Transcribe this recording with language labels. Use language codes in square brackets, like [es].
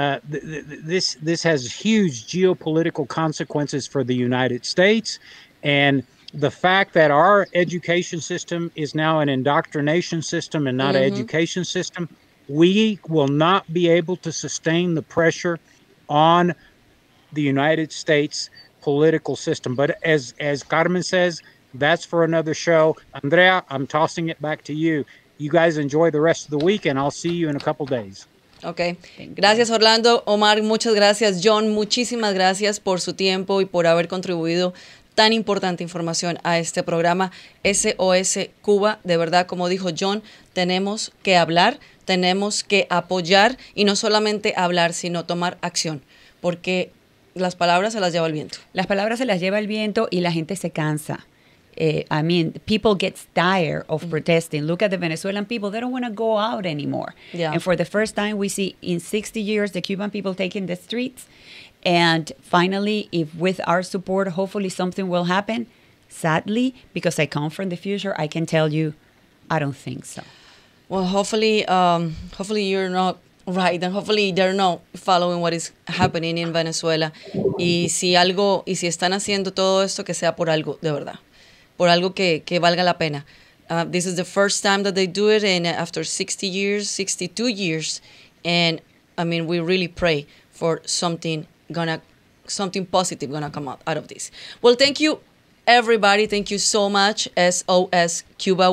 [en] This has huge geopolitical consequences for the United States, and the fact that our education system is now an indoctrination system and not mm-hmm. an education system, we will not be able to sustain the pressure on the United States political system. But as Carmen says, that's for another show. Andrea, I'm tossing it back to you. You guys enjoy the rest of the week, and I'll see you in a couple days. [es] Okay. Gracias, Orlando. Omar, muchas gracias. John, muchísimas gracias por su tiempo y por haber contribuido tan importante información a este programa SOS Cuba. De verdad, como dijo John, tenemos que hablar, tenemos que apoyar, y no solamente hablar, sino tomar acción, porque las palabras se las lleva el viento. Las palabras se las lleva el viento y la gente se cansa. [en] People get tired of protesting. Look at the Venezuelan people. They don't want to go out anymore. Yeah. And for the first time, we see in 60 years, the Cuban people taking the streets. And finally, if with our support, hopefully something will happen. Sadly, because I come from the future, I can tell you, I don't think so. Well, hopefully you're not right, and hopefully they're not following what is happening in Venezuela. [es] Y si están haciendo todo esto, que sea por algo de verdad, por algo que valga la pena. [en] This is the first time that they do it, and after 60 years, 62 years, and I mean, we really pray for something positive gonna come out of this. Well, thank you, everybody. Thank you so much, SOS Cuba.